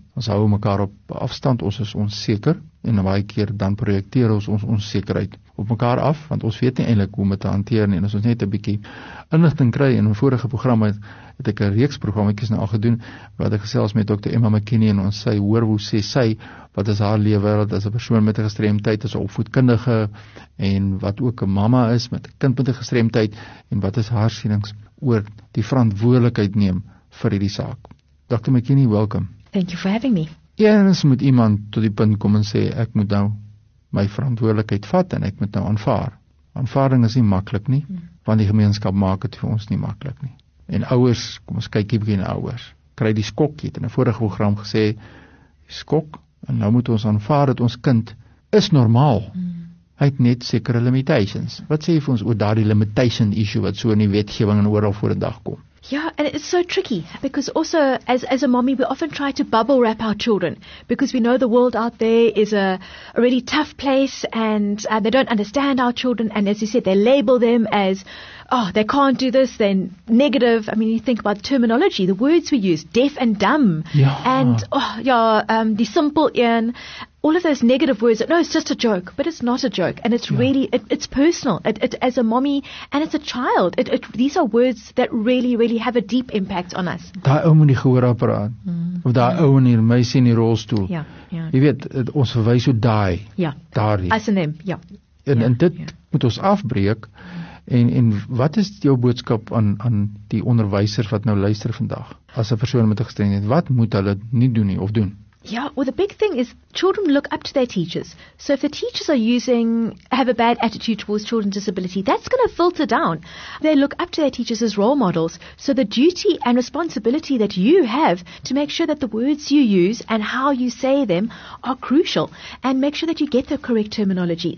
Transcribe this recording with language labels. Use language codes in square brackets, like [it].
[af] Ons hou mekaar op afstand, ons is onseker en baie keer dan projekteer ons ons onsekerheid op mekaar af, want ons weet nie eintlik hoe om dit te hanteer nie. En as ons net 'n bietjie inligting kry, en in 'n vorige program het ek 'n reeks programmetjies nou al gedoen wat ek gesels met Dr. Emma McKinney en ons sy hoor hoe sê sy wat is haar lewe wêreld as 'n persoon met 'n gestremdheid, as 'n opvoedkundige en wat ook 'n mamma is met 'n kind met 'n gestremdheid en wat is haar sienings oor die verantwoordelikheid neem vir hierdie saak. [en] Dr. McKinney, welcome. Thank you for having me. [af] Eens moet iemand tot die punt kom en sê ek moet nou my verantwoordelikheid vat en ek moet nou aanvaar. Aanvaarding is nie maklik nie, want die gemeenskap maak dit vir ons nie maklik nie. En ouers, kom ons kyk hierdie ouers. Kry die skok, het in 'n vorige program gesê, skok, en nou moet ons aanvaar dat ons kind is normaal. Hy het net sekere limitations. Wat sê jy vir ons oor daardie limitation issue wat so in die wetgewing en oral voor die dag kom? [en] Yeah, and it's so tricky because also as a mommy, we often try to bubble wrap our children because we know the world out there is a really tough place and they don't understand our children. And as you said, they label them as, oh, they can't do this, then negative. I mean, you think about the terminology, the words we use, deaf and dumb. Yeah. And oh, yeah, the simple ian. All of those negative words, no, it's just a joke, but it's not a joke. And it's really, it's personal. It as a mommy and as a child, it these are words that really, really have a deep impact on us. [af] Daai ou moet nie gehoor apparaat. Of daai ou en die meisie in die rolstoel. Ja, jy weet, ons verwys hoe daai. Ja. Daardie. As 'n naam, ja. En dit moet ons afbreek. En wat is jou boodskap aan die onderwysers wat nou luister vandag? As 'n persoon met 'n gestremdheid, wat moet hulle nie doen nie of doen? [en] Yeah, well, the big thing is children look up to their teachers. So if the teachers have a bad attitude towards children's disability, that's going to filter down. They look up to their teachers as role models. So the duty and responsibility that you have to make sure that the words you use and how you say them are crucial and make sure that you get the correct terminology.